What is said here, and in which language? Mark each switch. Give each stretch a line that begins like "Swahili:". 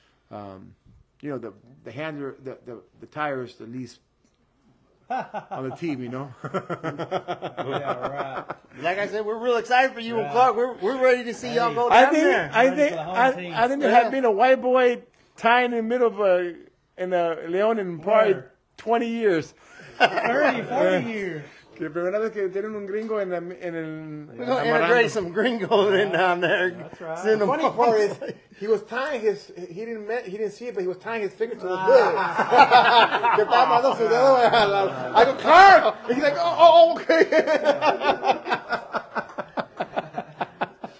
English: You know, the handler, the tire is the least on the team, you know. Yeah, right. Like I said, we're real excited for you and Clark. We're ready to see y'all go down I think there had been a white boy tying in the middle of a León in probably 20 years. 30, 40 years.
Spanish: La primera vez que tienen un gringo en el.
English: We're going to integrate some gringos in down there. That's right. The funny part is, he was tying his. He didn't see it, but he was tying his finger to the bull.
Spanish: Que estaba mandando su dedo.
English: I go,
Spanish: Clark!
English: And he's like, oh, okay.